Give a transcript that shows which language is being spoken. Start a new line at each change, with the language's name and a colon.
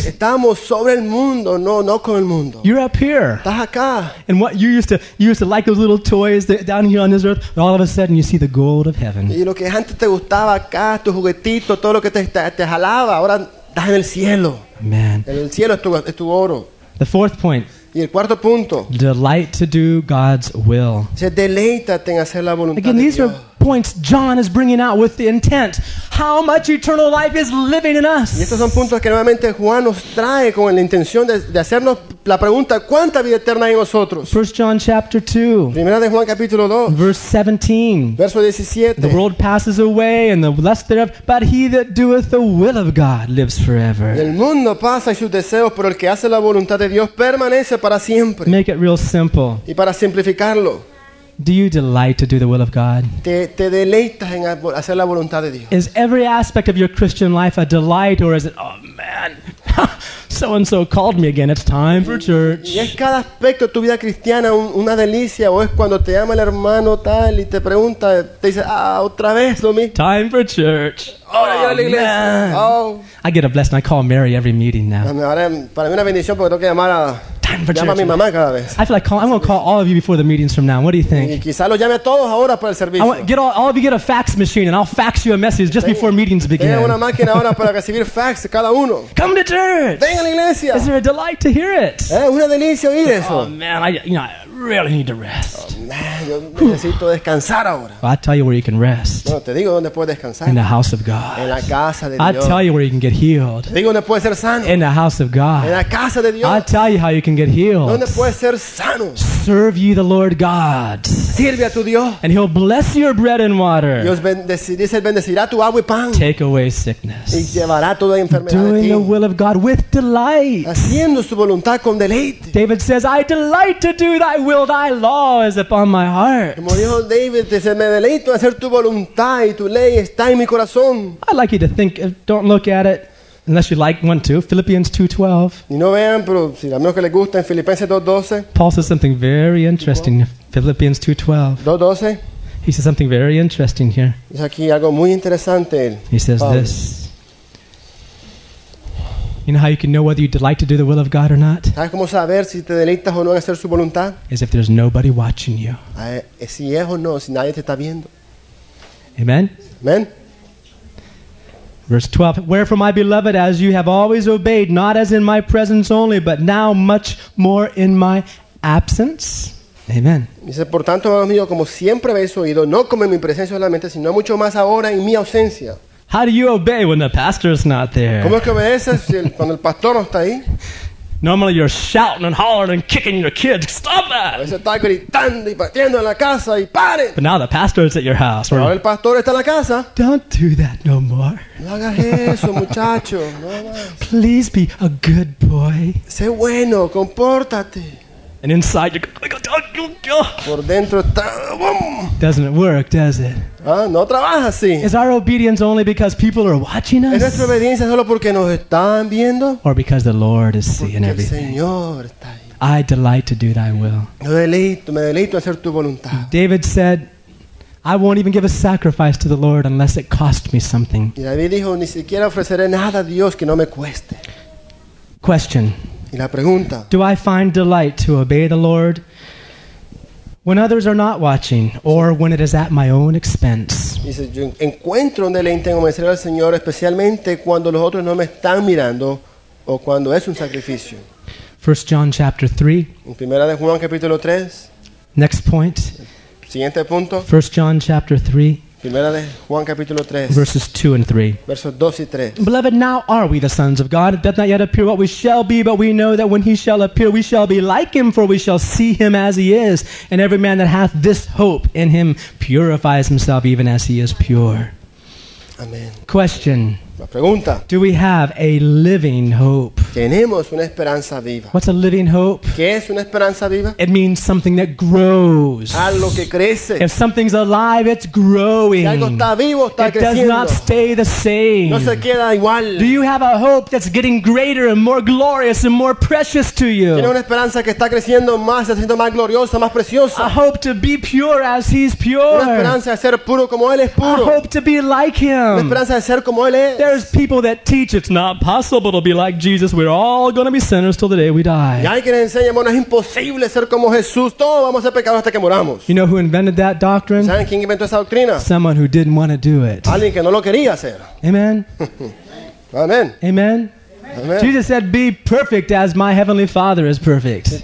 Spanish: Estamos sobre el mundo, no con el mundo.
English: You're up here.
Spanish: Estás acá.
English: And what you used to like those little toys that, down here on this earth, and all of a sudden you see the gold of heaven.
Spanish: Y lo que antes te gustaba acá, tu juguetito, todo lo que te jalaba, ahora estás en el cielo.
English: Man.
Spanish: El cielo es tu oro.
English: The fourth point.
Spanish: Y el cuarto punto.
English: Delight to do God's will.
Spanish: Se deleita en hacer la voluntad
English: Again,
Spanish: de
English: these
Spanish: Dios.
English: Are points John is bringing out with the intent. How much eternal life is living in us?
Spanish: Y estos son puntos que nuevamente Juan nos trae con la intención de hacernos la pregunta, ¿cuánta vida eterna hay en nosotros?
English: 1 John chapter 2.
Spanish: Primera de Juan capítulo 2.
English: Verse 17.
Spanish: Verso 17.
English: The world passes away and the lust thereof, but he that doeth the will of God lives forever.
Spanish: El mundo pasa y sus deseos, pero el que hace la voluntad de Dios permanece para siempre.
English: Make it real simple.
Spanish: Y para simplificarlo,
English: do you delight to do the will of God?
Spanish: Te deleitas en hacer la voluntad de Dios.
English: Is every aspect of your Christian life a delight, or is it, oh man, so-and-so called me again, it's time for church?
Spanish: ¿Y es cada aspecto de tu vida cristiana una delicia, o es cuando te llama el hermano tal y te pregunta, te dice, ah, otra vez lo mismo?
English: Time for church. Oh, oh man. Oh. I get a blessing. I call Mary every meeting now.
Spanish: Para mí una bendición porque tengo que llamar a... Llama a mi mamá cada vez.
English: I feel like I'm going to call all of you before the meetings from now. What do you think?
Spanish: Y quizá lo llame a todos ahora para el servicio.
English: All of you get a fax machine and I'll fax you a message just before meetings begin.
Spanish: Una máquina ahora para recibir fax cada uno.
English: Come to church.
Spanish: Venga a la iglesia.
English: Is there a delight to hear it?
Spanish: Una delicia oír eso.
English: Oh man, I really need to rest.
Spanish: Oh man, yo necesito descansar ahora.
English: Well, I'll tell you where you can rest.
Spanish: Bueno, te digo dónde puedes descansar.
English: In the house of God.
Spanish: En la casa de Dios.
English: I'll tell you where you can get healed.
Spanish: Te digo dónde puedes ser sano.
English: In the house of God.
Spanish: En la casa de Dios.
English: I'll tell you how you can get healed.
Spanish: ¿Dónde puedes ser sano?
English: Serve ye the Lord God.
Spanish: Sirve a tu Dios.
English: And he'll bless your bread and water.
Spanish: Dios bendecirá tu agua y pan.
English: Take away sickness.
Spanish: Y llevará toda enfermedad.
English: Doing
Spanish: de ti.
English: The will of God with delight.
Spanish: Haciendo su voluntad con deleite.
English: David says, I delight to do thy will, thy law is upon my heart.
Spanish: Como dijo David, dice, me deleito hacer tu voluntad y tu ley está en mi corazón.
English: I'd like you to think, don't look at it. Unless you like one too, Philippians 2:12.
Spanish: Y no vean, pero si a menos que les guste, en Filipenses 2:12.
English: Paul says something very interesting. Philippians 2:12. 2:12. He says something very interesting here.
Spanish: Es aquí algo muy interesante.
English: He says this. You know how you can know whether you delight to do the will of God or not?
Spanish: ¿Sabes cómo saber si te deleitas o no en hacer su voluntad?
English: Is if there's nobody watching you.
Spanish: Si es o no, si nadie te está viendo.
English: Amen.
Spanish: Amen.
English: Verse 12, wherefore, my beloved, as you have always obeyed, not as in my presence only, but now much more in my absence. Amen.
Spanish: Dice, por tanto, amados míos, como siempre habéis oído, no como en mi presencia solamente, sino mucho más ahora en mi ausencia.
English: How do you obey when the pastor is not there?
Spanish: ¿Cómo es que obedeces cuando el pastor no está ahí?
English: Normally you're shouting and hollering and kicking your kids. Stop that! But now the pastor is at your house.
Spanish: Ahora el pastor está en la casa.
English: Don't do that no more.
Spanish: No hagas eso, muchacho.
English: Please be a good boy.
Spanish: Sé bueno, compórtate.
English: And inside you go,
Spanish: por dentro está, boom.
English: Doesn't work, does it?
Spanish: No trabaja así.
English: Is our obedience only because people are watching us?
Spanish: ¿Es nuestra obediencia solo porque nos están viendo?
English: Or because the Lord is
Spanish: porque
English: seeing everything?
Spanish: El Señor está ahí.
English: I delight to do thy will.
Spanish: Me deleito hacer tu voluntad.
English: David said, I won't even give a sacrifice to the Lord unless it cost me something.
Spanish: Y David dijo, ni siquiera ofreceré nada a Dios que no me cueste.
English: Question.
Spanish: Y la pregunta,
English: do I find delight to obey the Lord when others are not watching, or when it is at my own expense?
Spanish: Dice, yo encuentro un deleite en obedecer al Señor, especialmente cuando los otros no me están mirando, o cuando es un sacrificio.
English: 1 John chapter 3.
Spanish: En primera de Juan capítulo 3.
English: Next point.
Spanish: Siguiente punto.
English: 1 John chapter 3.
Spanish: Primera de Juan capítulo 3.
English: Verses 2 and 3.
Spanish: Versos 2 y 3.
English: Beloved, now are we the sons of God. It doth not yet appear what we shall be, but we know that when he shall appear, we shall be like him, for we shall see him as he is. And every man that hath this hope in him purifies himself even as he is pure. Amen. Question.
Spanish: La pregunta.
English: Do we have a living hope?
Spanish: Tenemos una esperanza viva.
English: What's a living hope?
Spanish: ¿Qué es una esperanza viva?
English: It means something that grows.
Spanish: Algo que crece.
English: If something's alive, it's growing.
Spanish: Si algo está vivo, está
English: it
Spanish: creciendo.
English: Does not stay the same.
Spanish: No se queda igual.
English: Do you have a hope that's getting greater and more glorious and more precious to you?
Spanish: ¿Tiene una esperanza que está creciendo más, está siendo más gloriosa, más preciosa?
English: A hope to be pure as he's pure.
Spanish: Una esperanza de ser puro como él es puro.
English: A hope to be like him.
Spanish: Una esperanza de ser como él es.
English: There's people that teach it's not possible to be like Jesus. We're all going to be sinners till the day we die.
Spanish: Ya hay quien enseña, bueno, es imposible ser como Jesús. Todos vamos a ser pecadores hasta que moramos.
English: You know who invented that doctrine?
Spanish: ¿Saben quién inventó esa doctrina?
English: Someone who didn't want to do it.
Spanish: Alguien que no lo quería hacer.
English: Amen.
Spanish: Amen.
English: Amen. Amen. Jesus said, "Be perfect as my heavenly Father is perfect."